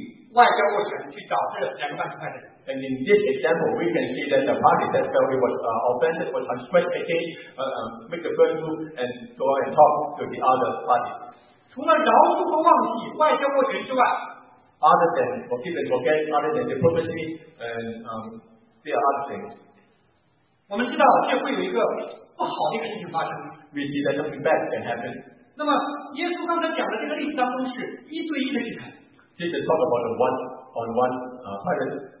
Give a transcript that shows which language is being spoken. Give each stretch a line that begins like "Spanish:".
Chinese: 我们来看这个接下来这个战争的这个例子，就会发现说，确实是认为被得罪的那一方，他们去外交斡旋，去找这两个反对派的人。
English: And in this example, we can see that the party that felt it was offended was transgressed against, make the first move and go out and talk to the other party.
Chinese: 除了饶恕和忘记外交斡旋之外,
English: other than forgive and forget, other than diplomacy, and there are other things.
Chinese: 我们知道这会有一个不好的一个事情发生。
English: We see that something bad can happen.
Chinese: 那么耶稣刚才讲的这个例子当中是一对一的事情。
English: Jesus talked about the one-on-one person.